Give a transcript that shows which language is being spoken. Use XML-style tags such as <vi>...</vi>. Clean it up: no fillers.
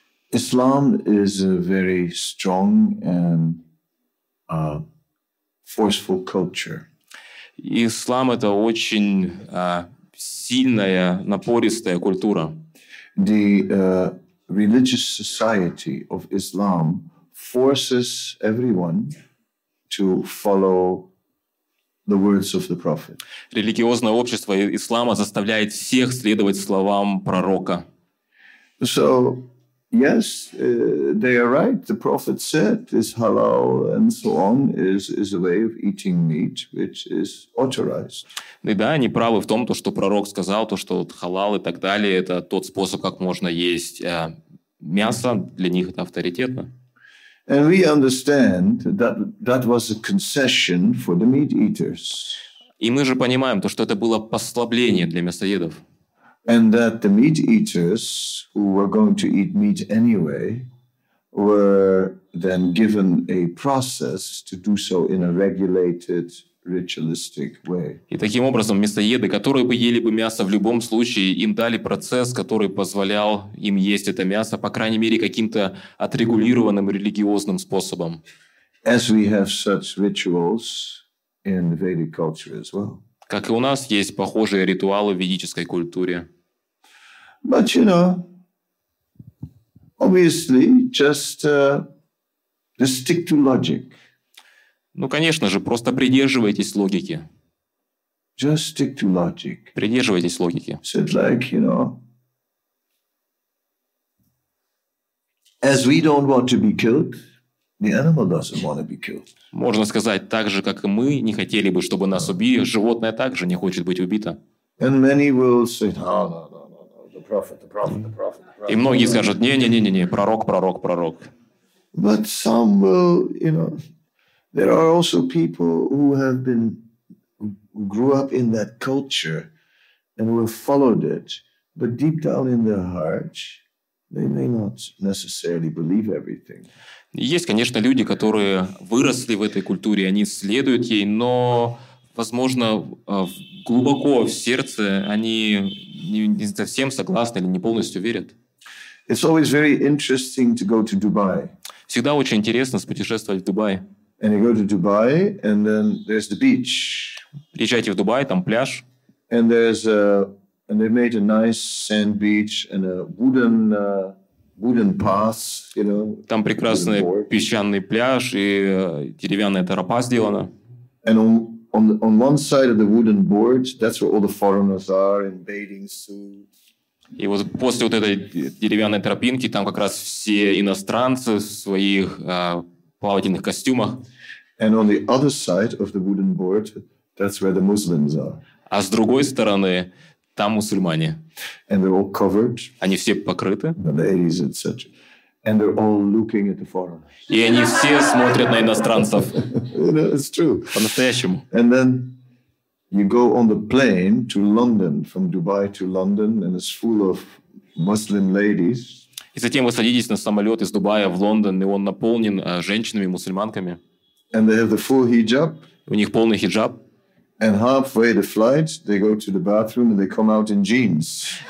<en>Islam is a very strong and forceful culture.</en> <ru>Ислам это очень сильная, напористая культура.</ru> <en>The religious society of Islam forces everyone to follow the words of the prophet.</en> <ru>Религиозное общество ислама заставляет всех следовать словам пророка.</ru> <en>So, yes, they are right. The prophet said this halal and so on is a way of eating meat which is authorized.</en> <ru>Да, да, они правы в том, то, что пророк сказал, то, что халал и так далее, это тот способ, как можно есть мясо, для них это авторитетно.</ru> <en>And we understand that that was a concession for the meat eaters.</en> <ru>И мы же понимаем то, что это было послабление для мясоедов.</ru> <en>And that the meat eaters who were going to eat meat anyway were then given a process to do so in a regulated ritualistic way.</en> <ru>И таким образом мясоеды, которые бы ели бы мясо в любом случае, им дали процесс, который позволял им есть это мясо, по крайней мере, каким-то отрегулированным религиозным способом.</ru> <en>As we have such rituals in Vedic culture as well.</en> <ru>Как и у нас есть похожие ритуалы в ведической культуре.</ru> <en>But you know, obviously, just stick to logic.</en> <ru>Ну, конечно же, просто придерживайтесь логики.</ru> <en>Just stick to logic.</en> <ru>Придерживайтесь логики.</ru> <en>So it's like, you know, as we don't want to be killed, the animal doesn't want to be killed.</en> <ru>Можно сказать, так же, как и мы не хотели бы, чтобы нас убили, животное также не хочет быть убито.</ru> <en>And many will say, no, no, no, no, the prophet, the prophet, the prophet, the prophet.</en> <ru>И многие скажут, не-не-не-не, пророк, пророк, пророк.</ru> <en>But some will, you know, there are also people who have been, who grew up in that culture and who have followed it, but deep down in their hearts, they may not necessarily believe everything.</en> <ru>Есть, конечно, люди, которые выросли в этой культуре, они следуют ей, но, возможно, глубоко в сердце они не совсем согласны или не полностью верят.</ru> <en>It's always very interesting to go to Dubai.</en> <ru>Всегда очень интересно путешествовать в Дубай.</ru> <en>And you go to Dubai, and then there's the beach.</en> <ru>Приезжайте в Дубай, там пляж.</ru> <en>And there's a, and they made a nice sand beach and a wooden wooden paths, you know.</en> <ru>Там прекрасный песчаный пляж и деревянная тропа сделана.</ru> <en>And on one side of the wooden board, that's where all the foreigners are in bathing suits.</en> <ru>И вот после вот этой деревянной тропинки там как раз все иностранцы в своих плавательных костюмах.</ru> <en>And on the other side of the wooden board, that's where the Muslims are.</en> <ru>А с другой стороны там мусульмане.</ru> <en>And they're all covered.</en> <ru>Они все покрыты.</ru> <en>The ladies, etc. And they're all looking at the foreigners.</en> <ru>И они все смотрят на иностранцев.</ru> <en>It's true.</en> <ru>По-настоящему.</ru> <en>And then you go on the plane to London, from Dubai to London, and it's full of Muslim ladies.</en> <ru>И затем вы садитесь на самолет из Дубая в Лондон, и он наполнен женщинами-мусульманками.</ru> <en>And they have the full hijab.</en> <ru>У них полный хиджаб.</ru> <en>And halfway the flight, they go to the bathroom and they come out in jeans.</en>